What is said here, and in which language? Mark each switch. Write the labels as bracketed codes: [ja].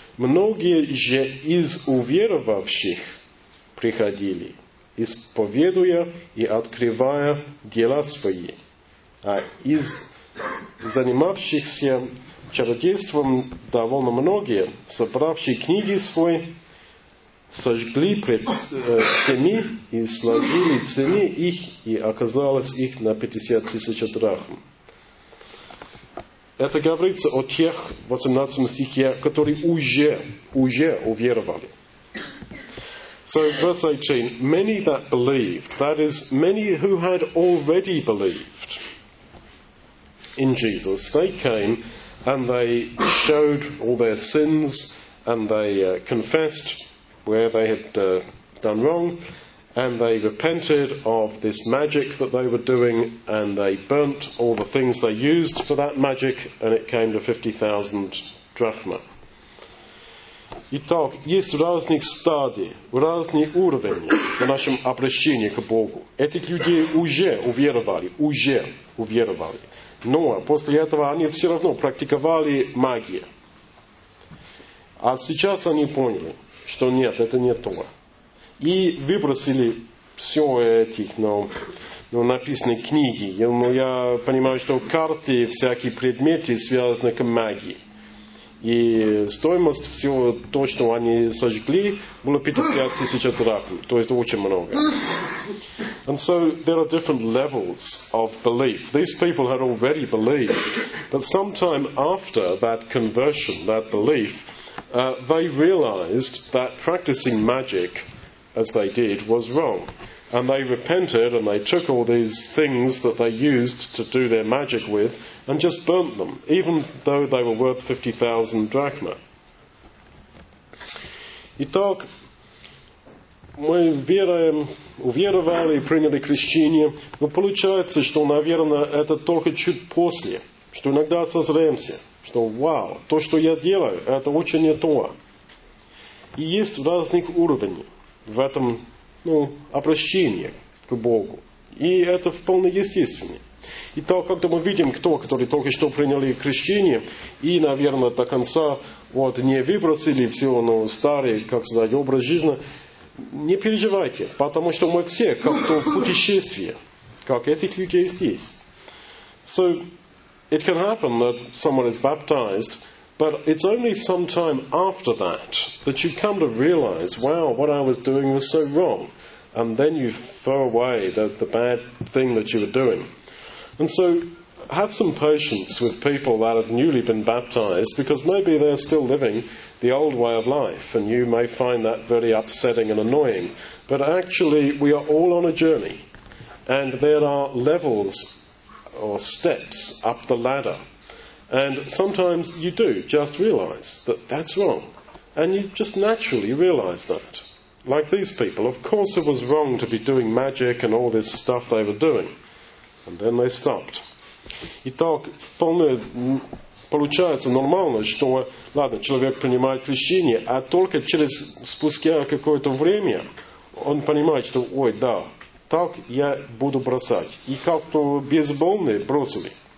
[ru] Многие же из уверовавших приходили, исповедуя и открывая дела свои, а из занимавшихся чародейством довольно многие, собравшие книги свои, сожгли пред всеми и сложили цены их, и оказалось их на 50 тысяч драхм. Это говорится о тех, в 18 стихе, которые уже уверовали. [en] So, verse 18, many that believed, that is, many who had already believed in Jesus, they came and they showed all their sins and they confessed where they had done wrong and they repented of this magic that they were doing and they burnt all the things they used for that magic and it came to 50,000 drachma. [ru] Итак, есть разные стадии, разные уровни в нашем обращении к Богу. Этих людей уже уверовали. Но после этого они все равно практиковали магию. А сейчас они поняли, что нет, это не то. И выбросили все эти, ну, написанные книги. Ну, я понимаю, что карты, всякие предметы связаны к магии. И стоимость всего то, что они сожгли, было 50 тысяч драхм. То есть очень много. [en] And so there are different levels of belief. These people had already believed. But sometime after that conversion, that belief, they realized that practicing magic, as they did, was wrong. And they repented and they took all these things that they used to do their magic with and just burnt them, even though they were worth 50,000 drachma. [ru] Итак, мы веруем, уверовали и приняли крещение, но получается, что, наверное, это только чуть после, что иногда созреемся, что, вау, то, что я делаю, это очень не то. И есть разных уровней в этом, ну, обращении к Богу. И это вполне естественно. И так, когда мы видим, которые только что приняли крещение, и, наверное, до конца вот, не выбросили все, ну, старый, как сказать, образ жизни, не переживайте, потому что мы все как-то в путешествии, как этих людей здесь. [en] So, it can happen that someone is baptized, but it's only sometime after that that you come to realize, wow, what I was doing was so wrong. And then you throw away the bad thing that you were doing. And so have some patience with people that have newly been baptized, because maybe they're still living the old way of life, and you may find that very upsetting and annoying. But actually, we are all on a journey, and there are levels or steps up the ladder. And sometimes you do just realize that that's wrong. And you just naturally realize that. Like these people, of course it was wrong to be doing magic and all this stuff they were doing. And then they stopped. [ru] Итак, вполне получается нормально, что, ладно, человек принимает крещение, а только через спустя какое-то время он понимает, что, ой, да, так я буду бросать. И как то бейсбольные бросили.